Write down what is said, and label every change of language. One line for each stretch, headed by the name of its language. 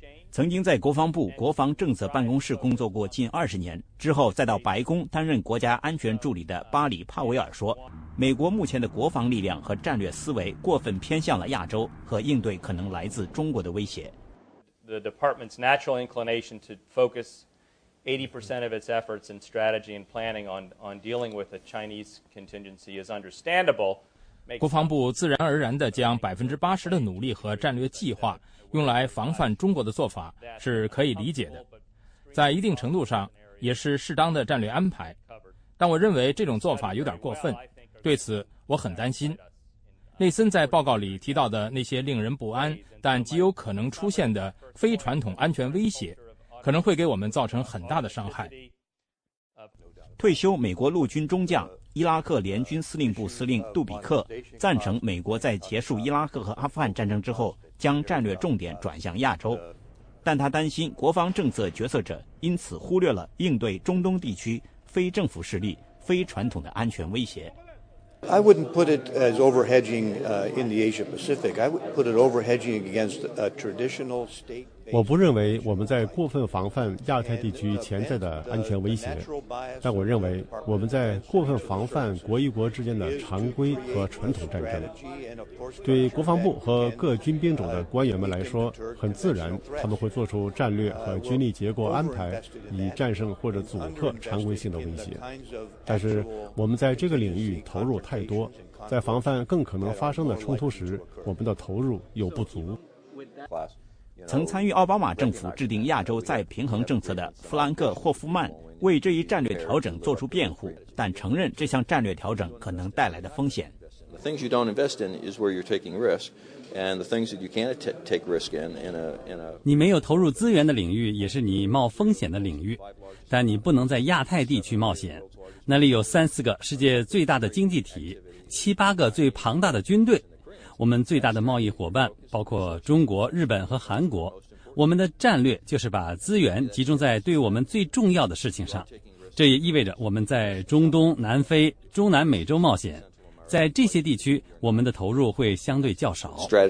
Chinese: 曾经在国防部国防政策办公室工作过近20年，之后再到白宫担任国家安全助理的巴里·帕维尔说，美国目前的国防力量和战略思维过分偏向了亚洲和应对可能来自中国的威胁。
English: The department's natural inclination to focus 80% of its efforts in strategy and planning on dealing with a Chinese contingency is understandable.
Chinese: 国防部自然而然地将80%的努力和战略计划用来防范中国的做法是可以理解的，在一定程度上也是适当的战略安排，但我认为这种做法有点过分，对此我很担心。内森在报告里提到的那些令人不安但极有可能出现的非传统安全威胁可能会给我们造成很大的伤害。退休美国陆军中将伊拉克联军司令部司令杜比克赞成美国在结束伊拉克和阿富汗战争之后将战略重点转向亚洲，但他担心国防政策决策者因此忽略了应对中东地区非政府势力非传统的安全威胁。
English: I wouldn't put it as overhedging in the Asia Pacific. I would put it overhedging against a traditional state.
Chinese: 我不认为我们在过分防范亚太地区潜在的安全威胁，但我认为我们在过分防范国与国之间的常规和传统战争。对国防部和各军兵种的官员们来说，很自然他们会做出战略和军力结构安排以战胜或者阻遏常规性的威胁，但是我们在这个领域投入太多，在防范更可能发生的冲突时我们的投入有不足。曾参与奥巴马政府制定亚洲再平衡政策的弗兰克·霍夫曼为这一战略调整做出辩护，但承认这项战略调整可能带来的风险。
English: The things you don't invest in is where you're taking risk, and the things that you can't take risk in a
Chinese: 你没有投入资源的领域也是你冒风险的领域，但你不能在亚太地区冒险，那里有3-4个世界最大的经济体，7-8个最庞大的军队。我们最大的贸易伙伴包括中国、日本和韩国，我们的战略就是把资源集中在对我们最重要的事情上，这也意味着我们在中东、南非、中南美洲冒险，在这些地区我们的投入会相对较少。